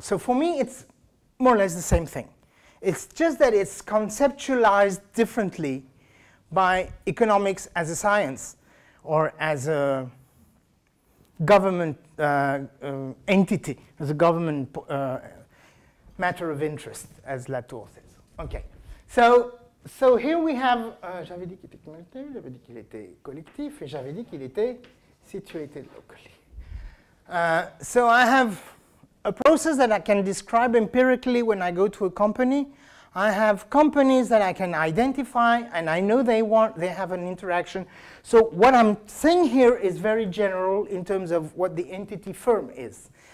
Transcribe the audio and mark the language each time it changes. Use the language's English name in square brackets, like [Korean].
[English] So for me, it's more or less the same thing. It's just that it's conceptualized differently by economics as a science or as a government entity, as a government matter of interest, as Latour says. Okay. So here we have, [French] j'avais dit qu'il était communautaire, j'avais dit qu'il était collectif, et j'avais dit qu'il était [English] situated locally. So I have a process that I can describe empirically when I go to a company. I have companies that I can identify, and I know they have an interaction. So what I'm saying here is very general in terms of what the entity firm is.